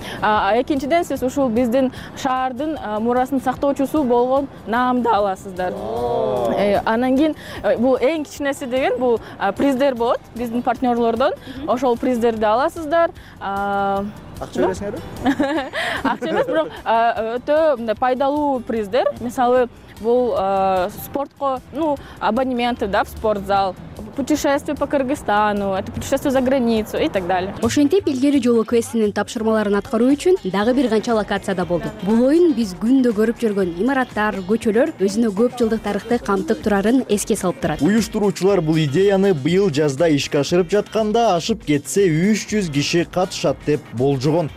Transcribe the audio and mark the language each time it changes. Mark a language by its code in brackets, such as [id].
[ky] Экинчиден сиз ушул биздин шаардын мурасын сактоочусу болгон наамды аласыздар. Анан кийин бул эң кичинеси деген бул приздер болот. Биздин партнерлордон ошол приздерди аласыздар. Акча бересиңерби? Акча эмес, бирок өтө мындай пайдалуу приздер. Мисалы, бул спортко, ну, абонементи да, [ru] в спортзал. Путешествие по Кыргызстану, это путешествие за границу и так далее. [ky] Ошентип, Илгери жолу квестинин тапшырмаларын аткаруу үчүн дагы бир канча локацияда болдук. Бул оюн биз күндө көрүп жүргөн имараттар, көчөлөр өзүнө көп жылдык тарыхты камтып турарын эске салып турат. Уюштуруучулар бул идеяны быйыл жазда ишке ашырып жатканда ашып кетсе 300 киши катышат деп болжогон.